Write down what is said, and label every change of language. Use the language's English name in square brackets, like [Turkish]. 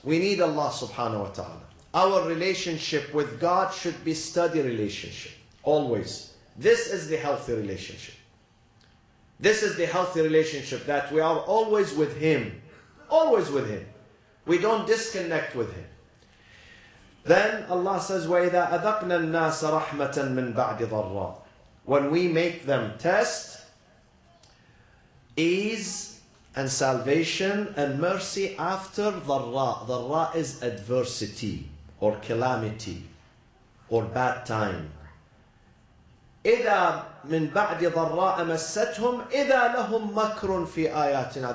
[English] We need Allah subhanahu wa ta'ala. Our relationship with God should be steady relationship, always. This is the healthy relationship. This is the healthy relationship that we are always with him. Always with him. We don't disconnect with him. Then Allah says, [Arabic] وَإِذَا أَذَقْنَا النَّاسَ رَحْمَةً مِنْ بَعْدِ ضَرَّا. [English] When we make them test ease and salvation and mercy after ضَرَّا. ضَرَّا is adversity or calamity or bad time. [Arabic] إِذَا مِنْ بَعْدِ ضَرَّا أَمَسَّتْهُمْ إِذَا لَهُمْ مَكْرٌ فِي آيَاتِنَا.